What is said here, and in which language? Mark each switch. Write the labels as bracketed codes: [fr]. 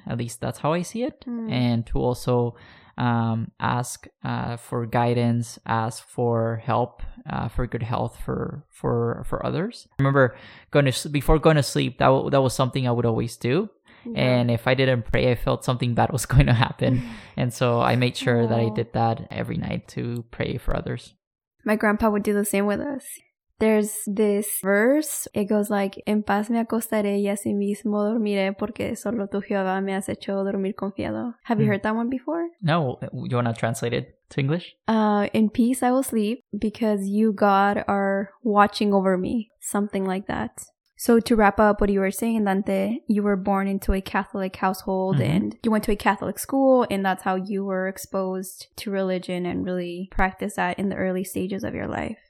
[en] At least that's how I see it. And to also ask for guidance, ask for help, for good health for others. I remember before going to sleep, that was something I would always do. And if I didn't pray, I felt something bad was going to happen. And so I made sure that I did that every night to pray for others. My grandpa would do the same with us. There's this verse. It goes like, [es] en paz me acostaré y así mismo dormiré porque solo tu Jehová me has hecho dormir confiado. [en] Have you heard that one before? No. You want to translate it to English? In peace I will sleep because you, God, are watching over me. Something like that. So to wrap up what you were saying, Dante, you were born into a Catholic household and you went to a Catholic school, and that's how you were exposed to religion and really practiced that in the early stages of your life.